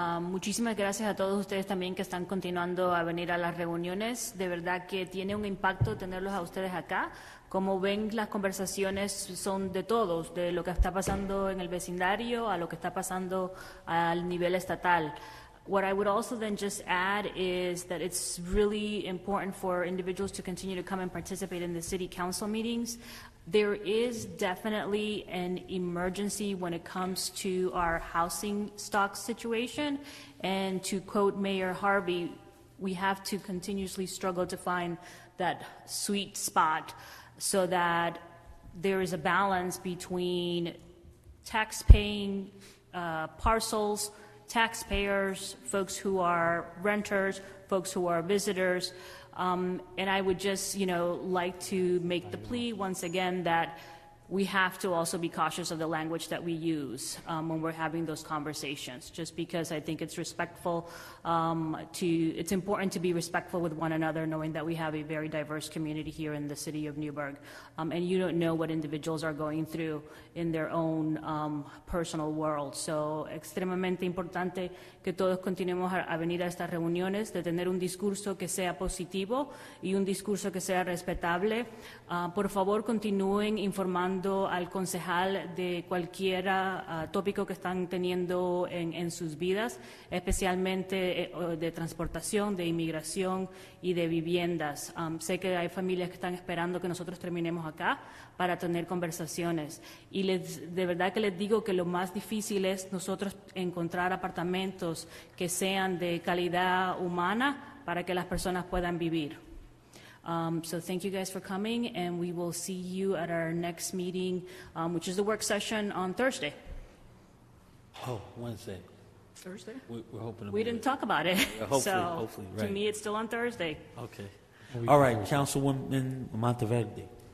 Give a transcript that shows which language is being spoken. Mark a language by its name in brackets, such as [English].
[Spanish] Muchísimas gracias a todos ustedes también que están continuando a venir a las reuniones. De verdad que tiene un impacto tenerlos a ustedes acá. Como ven, las conversaciones son de todos, de lo que está pasando en el vecindario a lo que está pasando al nivel estatal. [English] What I would also then just add is that it's really important for individuals to continue to come and participate in the city council meetings. There is definitely an emergency when it comes to our housing stock situation. And to quote Mayor Harvey, we have to continuously struggle to find that sweet spot so that there is a balance between tax-paying parcels, taxpayers, folks who are renters, folks who are visitors. And I would just, like to make the plea once again that we have to also be cautious of the language that we use when we're having those conversations, just because I think it's respectful it's important to be respectful with one another, knowing that we have a very diverse community here in the city of Newburgh. And you don't know what individuals are going through in their own personal world. [Spanish] So, extremadamente importante que todos continuemos a venir a estas reuniones, de tener un discurso que sea positivo y un discurso que sea respetable. Por favor, continúen informando al concejal de cualquier tópico que están teniendo en sus vidas, especialmente de transportación, de inmigración y de viviendas. Sé que hay familias que están esperando que nosotros terminemos acá para tener conversaciones. Y de verdad que les digo que lo más difícil es nosotros encontrar apartamentos que sean de calidad humana para que las personas puedan vivir. [English] So thank you guys for coming, and we will see you at our next meeting, which is the work session on Thursday. Oh, Wednesday. Thursday? We're hoping to. We didn't talk about it. Yeah, hopefully, so, hopefully, right. To me, it's still on Thursday. Okay. All right, Councilwoman Monteverde.